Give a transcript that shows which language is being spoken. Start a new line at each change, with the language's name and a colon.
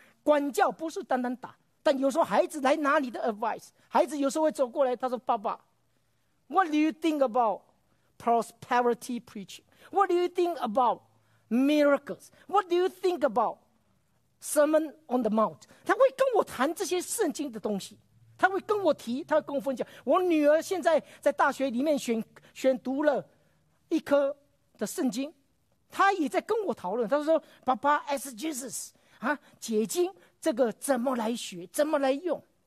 Chinese: 管教不是单单打，但有时候孩子来拿你的 advice， 孩子有时候会走过来，他说：爸爸，
English: What do you think about prosperity preaching？ What do you think about miracles？ What do you think aboutSermon on the Mount，
Chinese: 他会跟我谈这些圣经的东西，他会跟我提，他会跟我分享。我女儿现在在大学里面选读了一科的圣经，他也在跟我讨论。他说：爸爸 ，
English: as Jesus
Chinese: 啊，解经这个怎么来学，怎么来用？